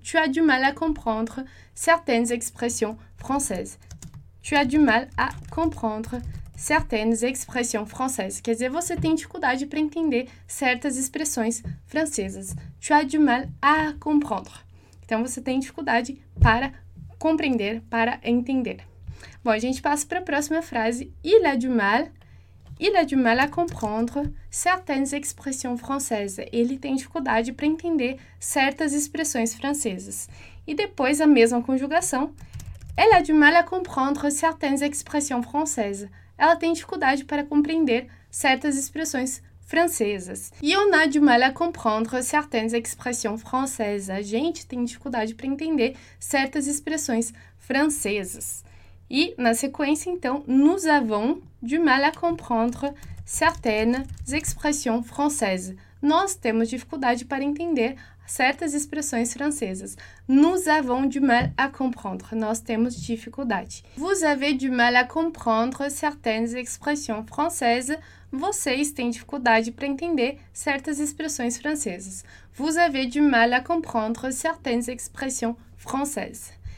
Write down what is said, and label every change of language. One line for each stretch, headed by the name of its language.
French: Tu as du mal à comprendre certaines expressions françaises. Tu as du mal à comprendre certaines expressions françaises.
Portuguese: Quer dizer, você tem dificuldade para entender certas expressões francesas.
French: Tu as du mal à comprendre.
Portuguese: Então, você tem dificuldade para compreender, para entender. Bom, a gente passa para a próxima frase.
French: Il a du mal à comprendre certaines expressions françaises.
Portuguese: Ele tem dificuldade para entender certas expressões francesas. E depois, a mesma conjugação.
French: Elle a du mal à comprendre certaines expressions françaises.
Portuguese: Ela tem dificuldade para compreender certas expressões francesas.
French: E on a du mal à comprendre certaines expressions françaises.
Portuguese: A gente tem dificuldade para entender certas expressões francesas. E, na sequência, então,
French: nous avons du mal à comprendre certaines expressions françaises.
Portuguese: Nós temos dificuldade para entender certas expressões francesas.
French: Nous avons du mal à comprendre.
Portuguese: Nós temos dificuldade.
French: Vous avez du mal à comprendre certaines expressions françaises.
Portuguese: Vocês têm dificuldade para entender certas expressões francesas.
French: Vous avez du mal à comprendre certaines expressions françaises.